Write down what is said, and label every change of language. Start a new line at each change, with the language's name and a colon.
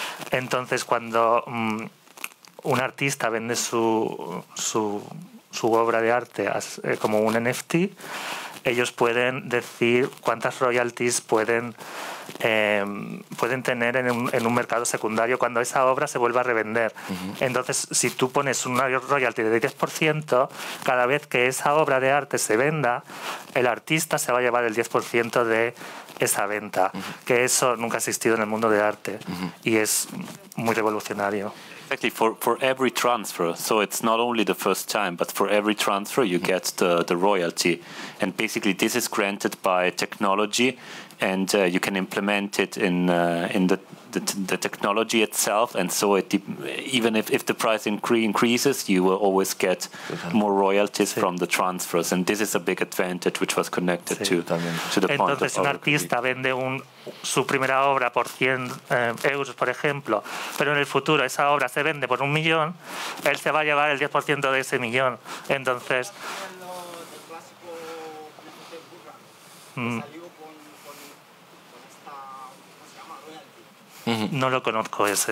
Spanish: Entonces, cuando un artista vende su obra de arte como un NFT, ellos pueden decir cuántas royalties pueden tener en un mercado secundario cuando esa obra se vuelva a revender. Entonces, si tú pones una royalty de 10%, cada vez que esa obra de arte se venda, el artista se va a llevar el 10% de esa venta. Que eso nunca ha existido en el mundo del arte. Y es muy revolucionario.
English: Exactly, for every transfer, so it's not only the first time, but for every transfer you get the royalty. And basically this is granted by technology, and you can implement it in the technology itself, and so even if the price increases, you will always get more royalties from the transfers, and this is a big advantage which was connected to the point.
Spanish: Entonces, un artista vende su primera obra por 100 euros, por ejemplo, pero en el futuro esa obra se vende por 1 million, él se va a llevar el 10% de ese millón. Entonces, no lo conozco ese.